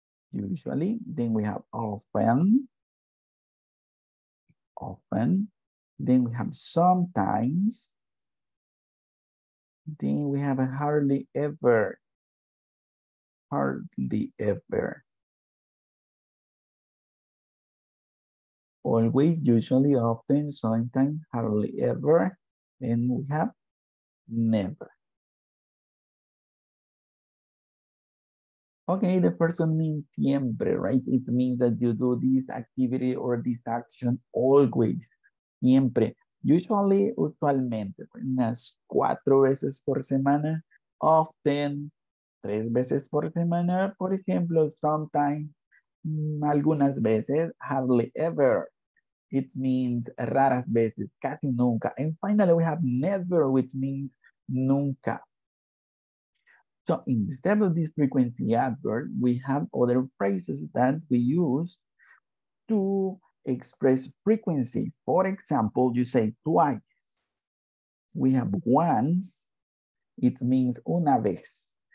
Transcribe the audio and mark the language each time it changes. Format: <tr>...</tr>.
<en>Usually, then we have often, then we have sometimes, then we have a hardly ever, always, usually, often, sometimes, hardly ever, and we have never. Okay, the first one means siempre, right? It means that you do this activity or this action always, siempre.</en> <es>Usually, usualmente, unas cuatro veces por semana, often, tres veces por semana, por ejemplo, sometimes, algunas veces, hardly ever.</es> <en>It means</en> <es>raras veces, casi nunca.</es> <en>And finally, we have never, which means nunca. So instead of this frequency adverb, we have other phrases that we use to express frequency. For example, you say twice. We have once, it means una vez.</en>